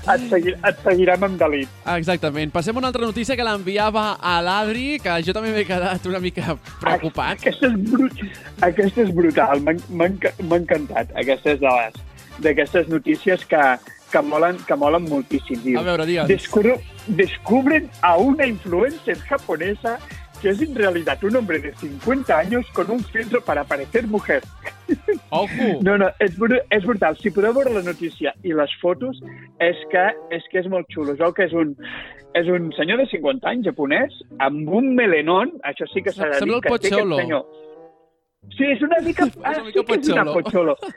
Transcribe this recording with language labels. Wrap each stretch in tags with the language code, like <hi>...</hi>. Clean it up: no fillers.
<ca>Et seguirem amb delit. Exactament. Passem a una altra notícia que l'enviava a l'Adri, que jo també m'he quedat una mica preocupat. Aquesta és brutal. M'ha encantat. Aquesta és d'aquestes notícies que molen moltíssim. A veure, digue'ns.</ca> <es>Descubren a una influencer japonesa que es en realidad un hombre de 50 años con un filtro para parecer mujer. ¡Ojo! No, es brutal.</es> <ca>Si podeu veure la notícia i les fotos, és que és molt xulo. Jo que és un senyor de 50 anys japonès amb un melenón, això sí que s'ha de dir que té aquest senyor. Sí, és una mica... Sí, és una pocholo.</ca>